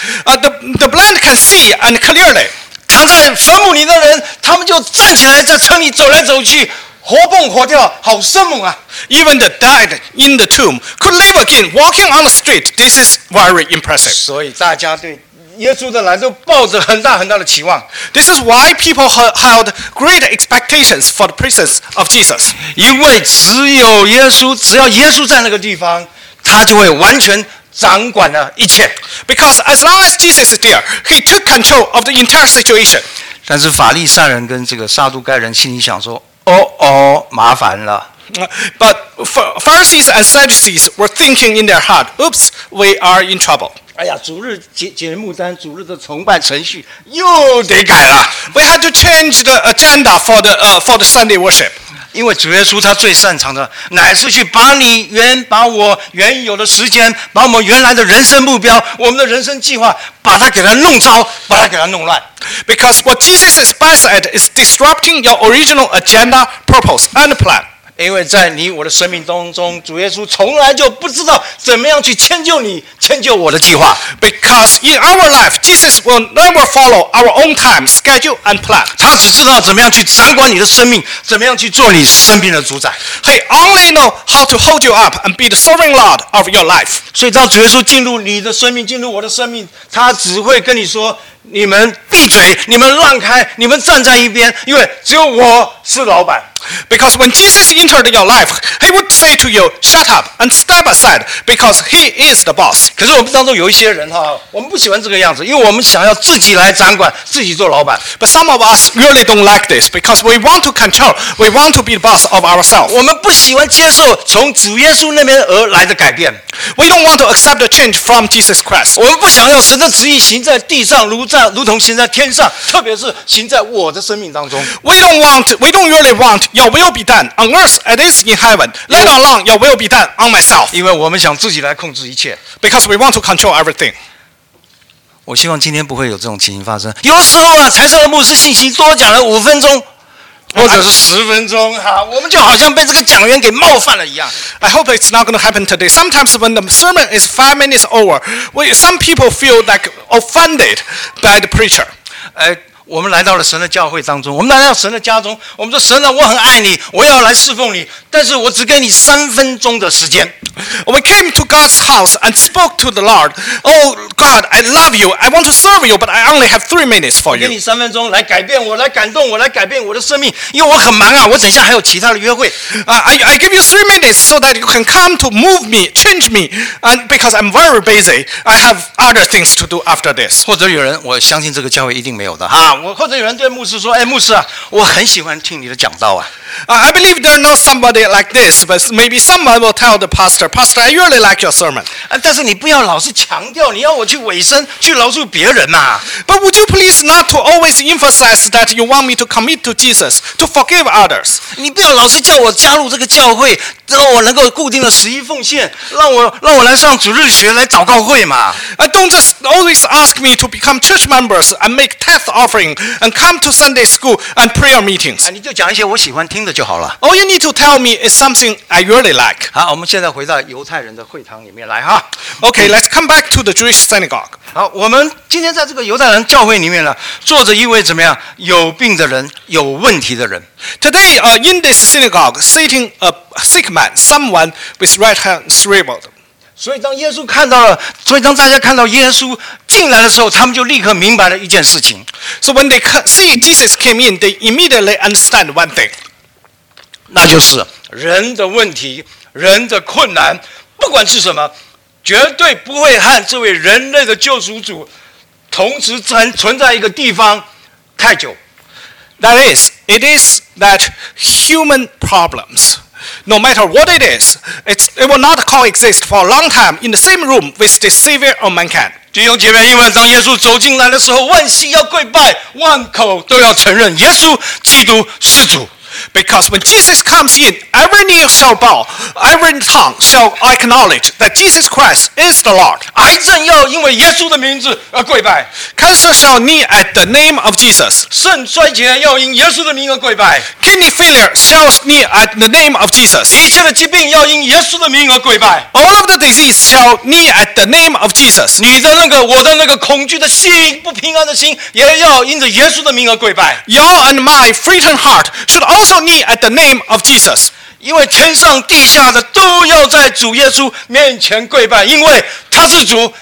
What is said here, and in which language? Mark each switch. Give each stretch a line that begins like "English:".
English: The blind can see and clearly.
Chinese: 躺在坟墓里的人，他们就站起来，在城里走来走去，活蹦活跳，好生猛啊
English: ！Even the dead in the tomb could live again, walking on the street. This is very impressive.
Chinese: 所以大家对耶稣的来都抱着很大很大的期望。
English: This is why people held great expectations for the presence of Jesus.
Chinese: 因为只有耶稣，只要耶稣在那个地方，他就会完全。掌管了一切
English: ，because as long as Jesus is there, he took control of the entire situation.
Chinese: 但是法利赛人跟这个撒都该人心里想说：“哦哦，麻烦了。”
English: But Pharisees and Sadducees were thinking in their heart, "Oops, we are in trouble."
Chinese: 哎呀，主日节目单、主日的崇拜程序又得改了。
English: We had to change the agenda for the Sunday worship.
Chinese: 因为主耶稣他最擅长的乃是去把你原把我原有的时间把我们原来的人生目标我们的人生计划把它给它弄糟把它给它弄乱
English: Because what Jesus is best at is disrupting your original agenda, purpose, and plan
Chinese: 因为在你我的生命当中主耶稣从来就不知道怎么样去迁就你迁就我的计划
English: Because in our life, Jesus will never follow our own time, schedule, and plan.
Chinese: 他只知道怎么样去掌管你的生命，怎么样去做你生命的主宰。
English: He only knows how to hold you up and be the sovereign lord of your life.
Chinese: 所以当主耶稣进入你的生命，进入我的生命，他只会跟你说：“你们闭嘴，你们让开，你们站在一边，因为只有我是老板。”
English: Because when Jesus entered your life, he would say to you, "Shut up and step aside," because he is the boss.
Chinese: 可是我们当中有一些人哈，我们不喜欢这个样子，因为我们想要自己来掌管，自己做老板。
English: But some of us really don't like this because we want to control, we want to be the boss of ourselves.
Chinese: 我们不喜欢接受从主耶稣那边而来的改变。
English: We don't want to accept the change from Jesus Christ.
Chinese: 我们不想要神的旨意行在地上，如同行在天上，特别是行在我的生命当中。
English: We don't really want your will be done on earth as it is in heaven. Let alone your will be done on myself.
Chinese: 因为我们想自己来控制一切。
English: Because we want to control everything.
Chinese: 我希望今天不会有这种情形发生。有时候啊，才是牧师信息多讲了五分钟。或者是十分钟哈，我们就好像被这个讲员给冒犯了一样。
English: I hope it's not going to happen today. Sometimes when the sermon is 5 minutes over, some people feel like offended by the preacher.
Chinese: 哎，我们来到了神的教会当中，我们来到神的家中，我们说神啊，我很爱你，我要来侍奉你，但是我只给你三分钟的时间。
English: We came to God's house and spoke to the Lord. Oh God, I love you. I want to serve you, but I only have 3 minutes for you.
Chinese: 给你三分钟来改变我，来感动我，来改变我的生命，因为我很忙啊，我等一下还有其他的约会。
English: I give you 3 minutes so that you can come to move me, change me, and because I'm very busy, I have other things to do after this.
Chinese: 或者有人，我相信这个教会一定没有的哈。或者有人对牧师说：“哎，牧师啊，我很喜欢听你的讲道啊。
English: ”I believe there's not somebody like this, but maybe someone will tell the pastor. pastor. Pastor, I really like your sermon.
Chinese: 但是你不要老是强调你要我去委身去饶恕别人嘛。
English: But would you please not to always emphasize that you want me to commit to Jesus, to forgive others?
Chinese: 你不要老是叫我加入这个教会，让我能够固定的十一奉献，让我来上主日学，来祷告会嘛。
English: Don't just always ask me to become church members and make tithe offering and come to Sunday school and prayer meetings.
Chinese: 你就讲一些我喜欢听的就好了。
English: All you need to tell me is something I really like.
Chinese: 好，我们现在回到犹太人的会堂里面来哈。
English: Okay, let's come back to the Jewish synagogue.
Chinese: 好，我们今天在这个犹太人教会里面呢，坐着一位怎么样？有病的人，有问题的人。
English: Today, in this synagogue, sitting a sick man, someone with right hand shriveled.
Chinese: 所以当耶稣看到了，所以当大家看到耶稣进来的时候，他们就立刻明白了一件事情。
English: So when they see Jesus came in, they immediately understand one thing.
Chinese: 那就是人的问题，人的困难，不管是什么，绝对不会和这位人类的救赎主同时存在一个地方太久。
English: That is, it is that human problems, no matter what it is, it will not coexist for a long time in the same room with the Savior of mankind.
Chinese: 弟兄姐妹，因为当耶稣走进来的时候，万膝要跪拜，万口都要承认耶稣基督是主。
English: Because when Jesus comes in, every knee shall bow, every tongue shall acknowledge that Jesus Christ is the Lord.
Chinese: 癌症要因为耶稣的名字而跪拜。
English: Cancer shall knee at the name of Jesus.
Chinese: 肾衰竭要因耶稣的名而跪拜。
English: Kidney failure shall knee at the name of Jesus.
Chinese: 一切的疾病要因耶稣的名而跪拜。
English: All of the disease shall knee at the name of Jesus.
Chinese: 你的那个，我的那个恐惧的心，不平安的心，也要因着耶稣的名而跪拜。
English: Your and my frightened heart should also knee at the name of Jesus.
Chinese: 因为天上地下的都要在主耶稣面前跪拜，因为他是主。